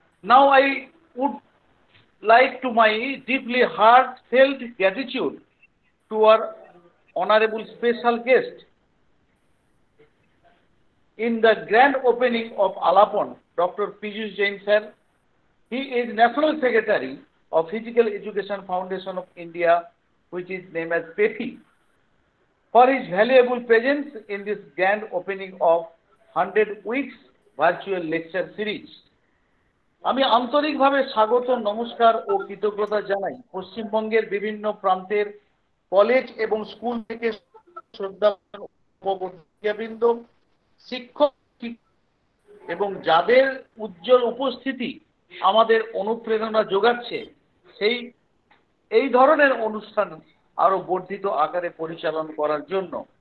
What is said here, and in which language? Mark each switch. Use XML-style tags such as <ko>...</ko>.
<en>Now I would like to my deeply heartfelt gratitude to our honourable special guest in the grand opening of Alapan, doctor Piyush Jain sir. He is national secretary of physical education foundation of India, which is named as PEFI, for his valuable presence in this grand opening of 100 weeks virtual lecture series.</en> <bn>আমি আন্তরিকভাবে স্বাগত, নমস্কার ও কৃতজ্ঞতা জানাই পশ্চিমবঙ্গের বিভিন্ন প্রান্তের college এবং স্কুল থেকে শ্রদ্ধাবৃন্দ, শিক্ষক এবং যাদের উজ্জ্বল উপস্থিতি আমাদের অনুপ্রেরণা যোগাচ্ছে, সেই এই ধরনের অনুষ্ঠান আরো বর্ধিত আকারে পরিচালন করার জন্য।</bn>